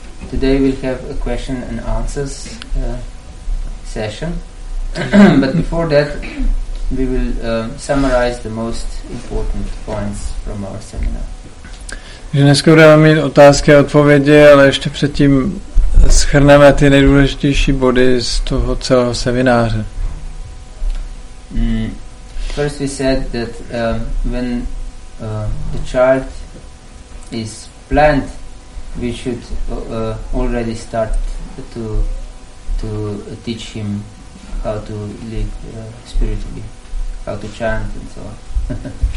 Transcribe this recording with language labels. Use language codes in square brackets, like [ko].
[en] Today we'll have a question and answers session, but before that we will summarize the most important points from our seminar. [cs] Takže dneska budeme mít otázky a odpovědi, ale ještě předtím shrneme ty nejdůležitější body z toho celého semináře. [en] First we said that when the child is planned, we should already start to teach him how to live spiritually, how to chant and so on.